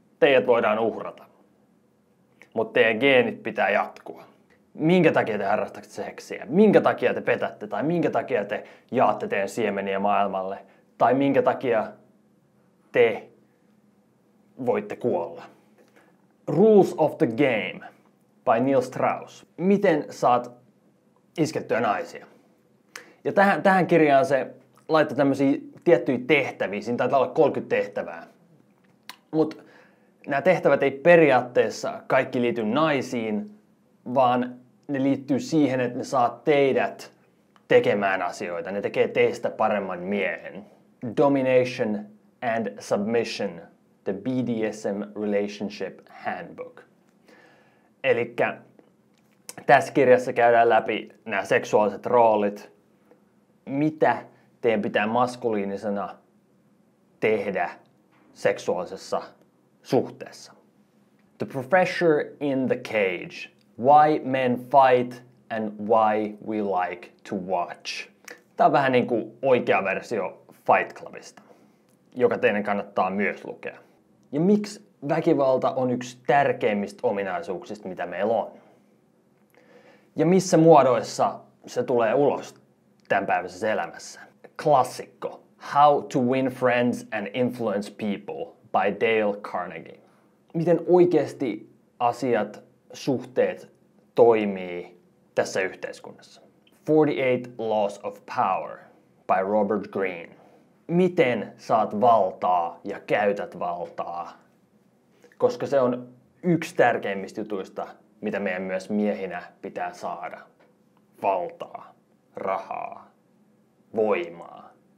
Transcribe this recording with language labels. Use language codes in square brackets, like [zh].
[fi] Teidät voidaan uhrata. Mutta teidän geenit pitää jatkua. Minkä takia te harrastatte seksiä? Minkä takia te petätte? Tai minkä takia te jaatte teidän siemeniä maailmalle? Tai minkä takia te voitte kuolla? [en] Rules of the Game by Neil Strauss. [fi] Miten saat iskettyä naisia? Ja tähän kirjaan se laittaa tämmöisiä tiettyjä tehtäviä. Siinä taitaa olla 30 tehtävää. Mutta nämä tehtävät ei periaatteessa kaikki liity naisiin, vaan ne liittyy siihen, että ne saa teidät tekemään asioita. Ne tekee teistä paremman miehen. [en] Domination and Submission, the BDSM Relationship Handbook. [fi] Elikkä tässä kirjassa käydään läpi nämä seksuaaliset roolit. Mitä teidän pitää maskuliinisena tehdä seksuaalisessa suhteessa. [en] The Professor in the Cage. Why men fight and why we like to watch. [fi] Tämä on vähän niin kuin oikea versio Fight Clubista, joka teidän kannattaa myös lukea. Ja miksi väkivalta on yksi tärkeimmistä ominaisuuksista, mitä meillä on? Ja missä muodoissa se tulee ulos tämänpäiväisessä elämässä? Klassikko. [en] How to Win Friends and Influence People by Dale Carnegie. [fi] Miten oikeasti asiat, suhteet toimii tässä yhteiskunnassa? [en] 48 Laws of Power by Robert Greene. [fi] Miten saat valtaa ja käytät valtaa? Koska se on yksi tärkeimmistä jutuista, mitä meidän myös miehinä pitää saada. Valtaa, rahaa, voimaa.